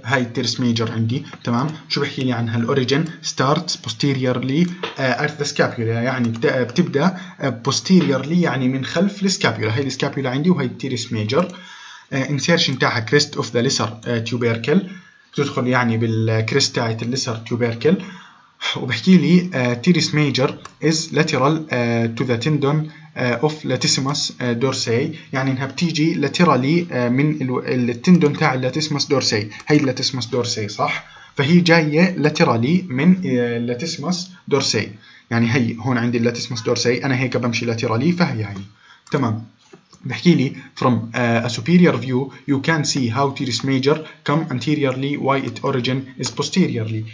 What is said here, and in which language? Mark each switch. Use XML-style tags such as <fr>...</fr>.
<ar>هاي التيرس ميجر عندي. تمام شو بحكي لي عنها؟</ar> <en>الأوريجين start posteriorly أرث scapula</en> <ar>يعني بتبدأ بوستيريرلي يعني من خلف السكابيولا. هاي السكابيولا عندي وهاي التيرس ميجر. إنسيرشن تاعها</ar> <en>crest of the lesser tubercle</en> <ar>بتدخل يعني بالكريست تاعت الليسر تيوبيركل. وبحكي لي</ar> <en>teres major is lateral to the tendon of latissimus dorsi</en> <ar>يعني انها بتيجي</ar> <en>laterally</en> <ar>من التندون تاع</ar> <en>latissimus dorsi.</en> <ar>هاي latissimus dorsi صح؟ فهي جاية laterally من latissimus dorsi يعني هاي هون عندي latissimus dorsi انا هيك بمشي laterally فهي هاي. تمام بحكي لي</ar> <en>from a superior view you can see how teres major come anteriorly why its origin is posteriorly.</en>